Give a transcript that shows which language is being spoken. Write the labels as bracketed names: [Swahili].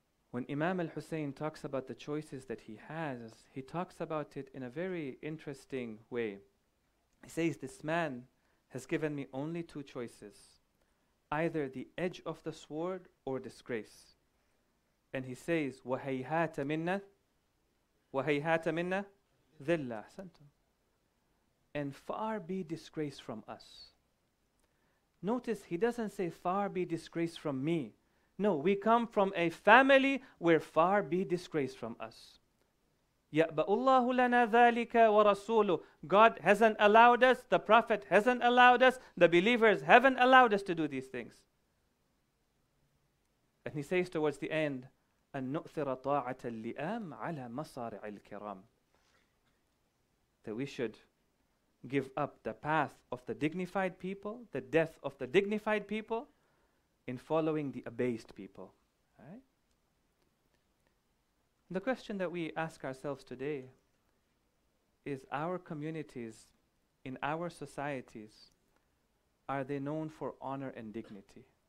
[English] When Imam al-Hussein talks about the choices that he has, he talks about it in a very interesting way. He says, "This man has given me only two choices, either the edge of the sword or disgrace." And he says, [Arabic] "وَهَيْهَاتَ مِنَّا وَهَيْهَاتَ مِنَّا ذِلَّا أَحْسَنْتُمْ." [English] And far be disgrace from us. Notice he doesn't say far be disgrace from me. No, we come from a family where far be disgrace from us. [Arabic] يَأْبَأُ اللَّهُ لَنَا ذَٰلِكَ وَرَسُولُهُ. [English] God hasn't allowed us, the Prophet hasn't allowed us, the believers haven't allowed us to do these things. And he says towards the end, [Arabic] أَنْ نُؤْثِرَ طَاعَةَ اللِّئَامِ عَلَى مَصَارِعِ الْكِرَامِ. [English] That we should give up the path of the dignified people, the death of the dignified people, in following the abased people. Right? The question that we ask ourselves today is, our communities, in our societies, are they known for honor and dignity?